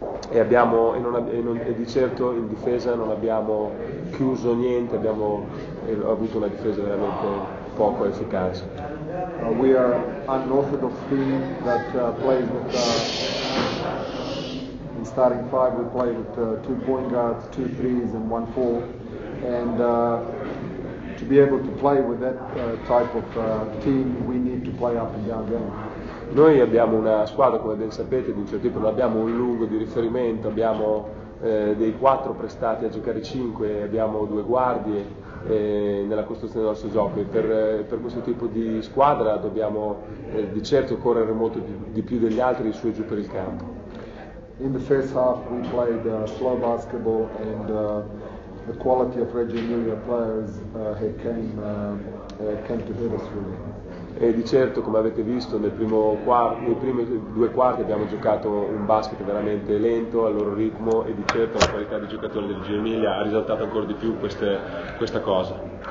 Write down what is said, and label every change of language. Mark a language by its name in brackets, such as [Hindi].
[Italian] E di certo in difesa non abbiamo chiuso niente, abbiamo avuto una difesa veramente poco efficace. [English] We are unorthodox team that plays with in starting five we play with two point guards, two threes and one four, and to be able to play with that type of team we need to play up and down game. [Italian] Noi abbiamo una squadra, come ben sapete, di un certo tipo, non abbiamo un lungo di riferimento, abbiamo dei quattro prestati a giocare cinque, abbiamo due guardie nella costruzione del nostro gioco e per questo tipo di squadra dobbiamo di certo correre molto di più degli altri su e giù per il campo. [English] In the first half we played slow basketball and the quality of Reggio Emilia players came to hit us really. [Italian] E di certo, come avete visto, nei primi due quarti abbiamo giocato un basket veramente lento, al loro ritmo, e di certo la qualità dei giocatori del Reggio Emilia ha risaltato ancora di più questa cosa.